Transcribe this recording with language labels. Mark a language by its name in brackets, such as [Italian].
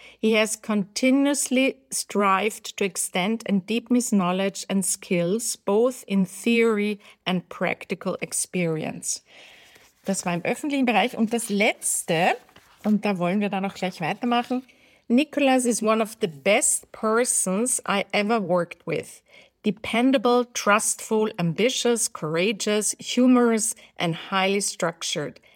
[English] He has continuously strived to extend and deepen his knowledge and skills, both in theory and practical experience. [German] Das war im öffentlichen Bereich. Und das Letzte, und da wollen wir dann auch gleich weitermachen. [English] Nicolas is one of the best persons I ever worked with. Dependable, trustful, ambitious, courageous, humorous, and highly structured.